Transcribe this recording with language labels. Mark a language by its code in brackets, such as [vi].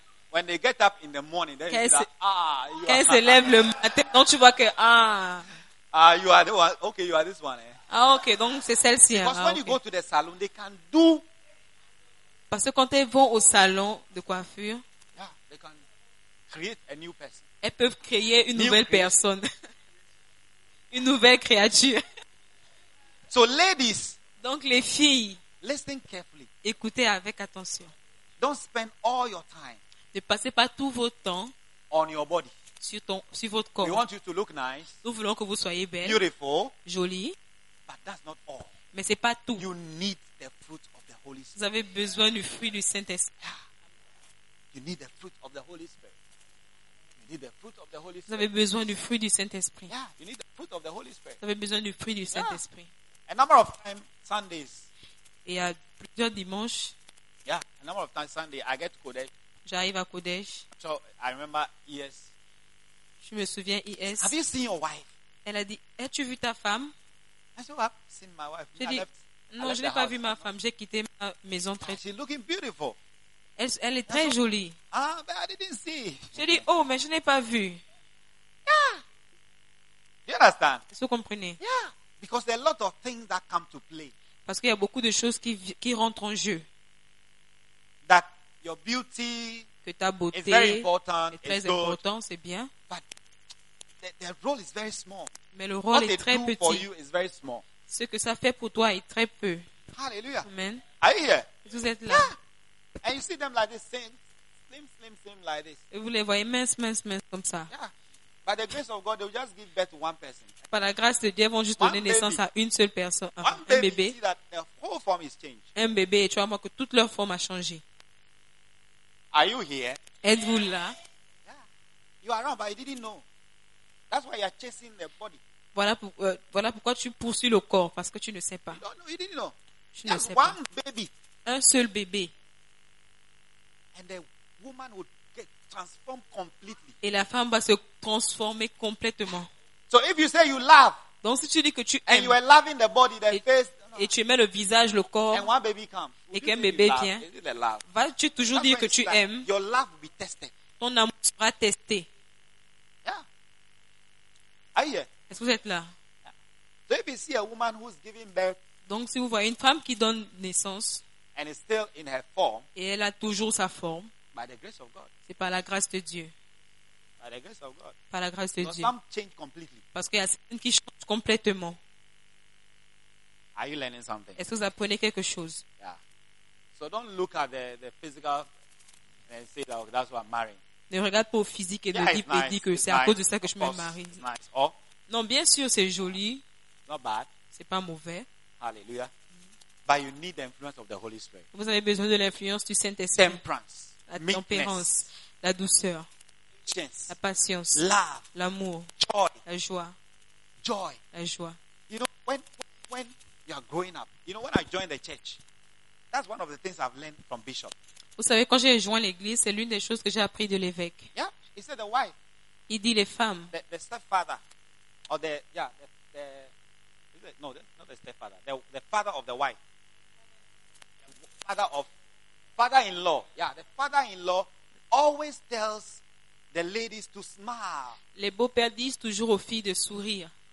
[en] When they get up in the morning, then you're like, ah, you are. [fr] Quand elles se lèvent le matin, donc tu vois que ah. [en] Ah, you are the one. Okay, you are this one. Eh? [fr] Ah, okay. Donc c'est celle-ci. [en] Because [fr] hein? [en] When okay. You go to the salon, they can do. [fr] Parce que quand elles vont au salon de coiffure, [en] yeah, they can create a new person. [fr] Elles peuvent créer une nouvelle personne, une nouvelle créature. [en] So ladies, [fr] donc les filles, [en] listen carefully. [fr] Écoutez avec attention. [en] Don't spend all your time. [fr] Ne passez pas tout votre temps [en] on your body. [fr] Sur votre corps. [en] We want you to look nice, [fr] nous voulons que vous soyez belle, [en] beautiful, [fr] jolie, [en] but that's not all. [fr] Mais ce n'est pas tout. [en] You need the fruit of the Holy Spirit. [fr] Vous avez besoin du fruit du Saint-Esprit. [en] You need the fruit of the Holy Spirit. You need the fruit of the Holy Spirit. [fr] Vous avez besoin du fruit du Saint-Esprit. [en] Yeah, you need the fruit of the Holy Spirit. [fr] Vous avez besoin du fruit du Saint-Esprit. [en] A number of times, Sundays. [fr] Il y a plusieurs dimanches. [en] Yeah, a number of times Sunday, I get Kodesh. [fr] J'arrive à Kodesh. [en] So I remember yes. [fr] Je me souviens yes. [en] Have you seen your wife? [fr] Elle a dit, as-tu vu ta femme? [en] I said, I've seen my wife. [fr] J'ai dit, non, je n'ai pas vu ma femme. J'ai quitté ma maison très. [en] She's looking beautiful. [fr] Elle est très jolie. [en] Ah, but I didn't see. [fr] J'ai dit, oh, mais je n'ai pas vu. [en] Yeah. You understand? [fr] Est-ce que vous comprenez? [en] Yeah. Because there are a lot of things that come to play. [fr] Parce qu'il y a beaucoup de choses qui rentrent en jeu. [en] That your beauty [fr] que ta beauté [en] is very important, [fr] est très importante, c'est bien. [en] But the role is very small. [fr] Mais le rôle est très petit. [en] For you is very small. [fr] Ce que ça fait pour toi est très peu. [en] Hallelujah. Amen. Are you here? [fr] Vous êtes là. [en] Yeah. And you see them like this, slim, like this. [fr] Et vous les voyez mince, comme ça. [en] Yeah. By the grace of God, they will just give birth to one person. [fr] Par la grâce de Dieu, ils vont juste donner naissance à une seule personne, un bébé. [en] You see that their whole form is changed. [fr] Un bébé, et tu vois moi que toute leur forme a changé. [en] Are you here? [fr] Êtes-vous là? [en] Yeah. You are wrong, but you didn't know. That's why you are chasing the body. [fr] Voilà pourquoi tu poursuis le corps, parce que tu ne sais pas. [en] You didn't know. [fr] Tu ne sais [en] one [fr] pas. [en] Baby. [fr] Un seul bébé. [en] And the woman would get transformed completely. [fr] Et la femme va se transformer complètement. [en] So if you say you love, [fr] donc si tu dis que tu [en] aimes, and you are loving the body, the face. [fr] Et tu aimais le visage, le corps. [en] And one baby comes. [fr] Et qu'un bébé vient. Vas-tu toujours dire que tu aimes? [en] Your love will be tested. [fr] Ton amour sera testé. [en] Yeah. Are you here? [fr] Est-ce que vous êtes là? [en] So if you see a woman who's giving birth, [fr] donc si vous voyez une femme qui donne naissance. [en] And is still in her form, [fr] et elle a toujours sa forme. [en] By the grace of God. [fr] C'est par la grâce de Dieu. [en] By the grace of God. [fr] Par la grâce de [en] so [fr] Dieu. [en] Some change completely. [fr] Parce qu'il y a certaines qui changent complètement. [en] Are you learning something? [fr] Est-ce que vous apprenez quelque chose? [en] Yeah. So don't look at the physical and say that that's what I'm marrying. [fr] Ne regarde pas au physique et ne dis pas que c'est [en] nice. [fr] À cause de ça que [en] of [fr] je me marie. [en] Nice. Oh. [fr] Non, bien sûr, c'est joli. [en] Not bad. [fr] C'est pas mauvais. [en] Hallelujah. But you need the influence of the Holy Spirit. [fr] Vous avez besoin de l'influence du Saint-Esprit. [en] Temperance. [fr] La tempérance. La douceur. [en] Patience. [fr] La patience. [en] Love. [fr] L'amour. [en] Joy. [fr] La joie. [en] Joy. [fr] La joie. [en] You know when you are growing up. You know, when I joined the church, that's one of the things I've learned from Bishop. [fr] Vous savez, quand j'ai joint l'église, c'est l'une des choses que j'ai appris de l'évêque. [en] Yeah, he said the wife. [fr] Il dit les femmes. [en] The stepfather, or the, yeah, the is it, no, the, not the stepfather, the father of the wife. The father-in-law. Yeah, the father-in-law always tells the ladies to smile. [fr] Les beaux-pères disent toujours aux filles de sourire.